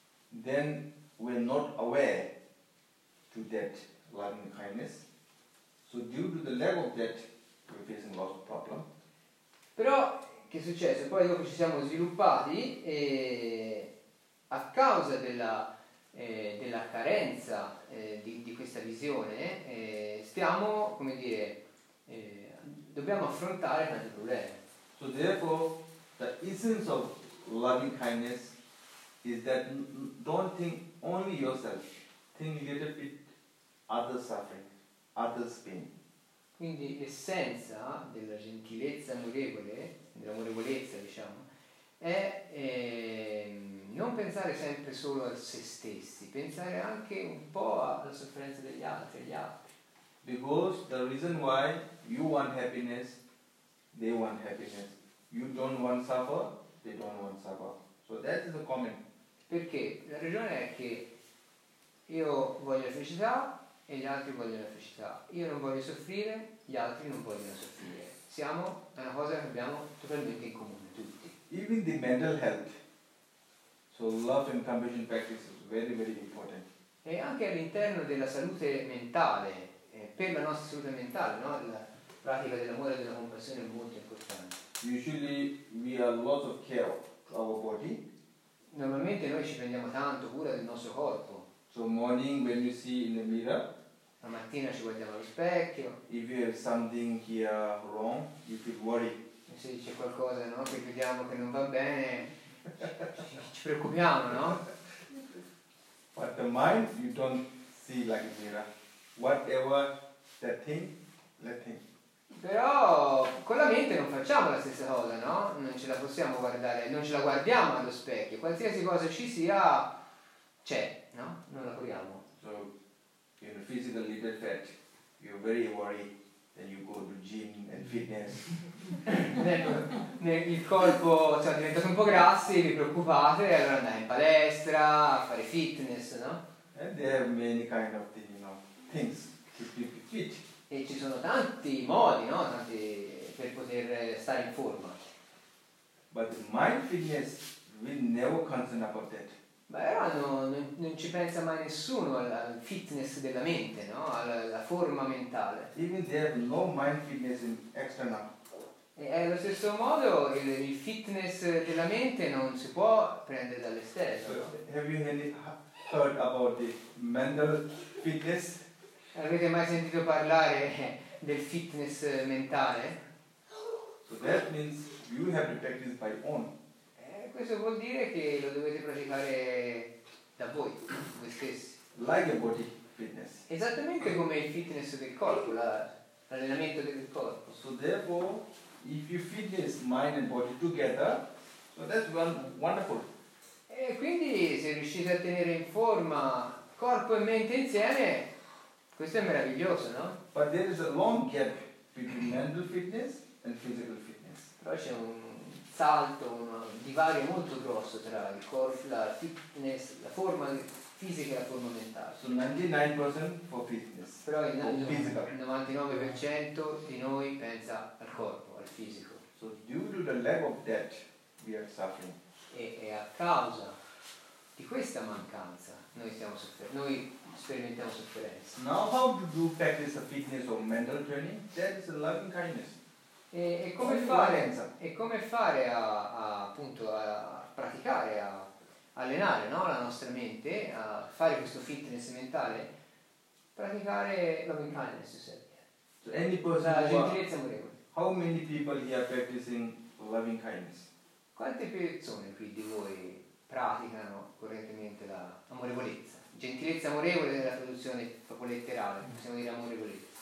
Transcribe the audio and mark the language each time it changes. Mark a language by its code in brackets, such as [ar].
[en] then we're not aware to that loving kindness. So due to the lack of that, we're facing lots of problems. [it] Però che è successo? Poi dopo ci siamo sviluppati e a causa della della carenza di questa visione stiamo, come dire, dobbiamo affrontare tanti problemi. [en] So therefore the essence of loving kindness is that don't think only yourself, think a little bit other suffering, others pain. [it] Quindi l'essenza della gentilezza amorevole, dell'amorevolezza, diciamo, è non pensare sempre solo a se stessi, pensare anche un po' alla sofferenza degli altri, agli altri. [en] Because the reason why you want happiness, they want happiness. You don't want suffer, they don't want suffer. So that is the common. [it] Perché? La ragione è che io voglio la felicità e gli altri vogliono la felicità. Io non voglio soffrire, gli altri non vogliono soffrire. Siamo una cosa che abbiamo totalmente in comune, tutti. [en] Even the mental health. So love and compassion practice is very, very important. [it] E anche all'interno della salute mentale, per la nostra salute mentale, no? La pratica dell'amore e della compassione è molto importante. [en] Usually we have lots of care of our body. [it] Normalmente noi ci prendiamo tanto cura del nostro corpo. [en] So morning when you see in the mirror. [it] La mattina ci guardiamo allo specchio. [en] If you have something here wrong, you feel worried. [it] Se c'è qualcosa, no, che vediamo che non va bene, ci preoccupiamo, no? [en] But the mind you don't see like a mirror. Whatever that thing, let thing. [it] Però con la mente non facciamo la stessa cosa, no? Non ce la possiamo guardare, non ce la guardiamo allo specchio. Qualsiasi cosa ci sia, c'è, no? Non la curiamo. [en] So, in a physical little fat, you're very worried, then you go to gym and fitness. [it] Il corpo, cioè, diventate un po' grassi, vi preoccupate, allora andate in palestra, a fare fitness, no? [en] And there are many kind of things, you know, things to keep it fit. [it] E ci sono tanti modi, no? Tanti per poter stare in forma. [en] But the mind fitness will never concern about that. [it] Beh, però non ci pensa mai nessuno al fitness della mente, no? Alla forma mentale. [en] Even there is no mind fitness in external. [it] E allo stesso modo il fitness della mente non si può prendere dall'esterno. [en] So, have you any heard about the mental fitness? [it] Avete mai sentito parlare del fitness mentale? [en] So that means you have to practice by own. [it] Questo vuol dire che lo dovete praticare da voi, voi stessi. [en] Like a body fitness. [it] Esattamente come il fitness del corpo, l'allenamento del corpo. [en] So therefore, if you fitness mind and body together, so that's wonderful. [it] E quindi se riuscite a tenere in forma corpo e mente insieme, questo è meraviglioso, no? [en] But there is a long gap between mental fitness and physical fitness. [it] Però c'è un salto, un divario molto grosso tra il corpo, la fitness, la forma fisica e la forma mentale. [en] So 99% for fitness. [it] Però il 99% di noi pensa al corpo, al fisico. [en] So due to the lack of that we are suffering. [it] E a causa di questa mancanza noi stiamo soffrendo. Noi sperimentiamo sofferenza. [en] Now how to do practice of fitness or mental training? That is a loving kindness. [it] E come fare, e come fare appunto a praticare, a allenare, no, la nostra mente, a fare questo fitness mentale? Praticare loving kindness, [en] so any person, [it] la gentilezza amorevole. [en] How many people here practicing loving kindness? [it] Quante persone qui di voi praticano correntemente la amorevolezza? Gentilezza amorevole nella traduzione proprio letterale, possiamo dire amorevolezza.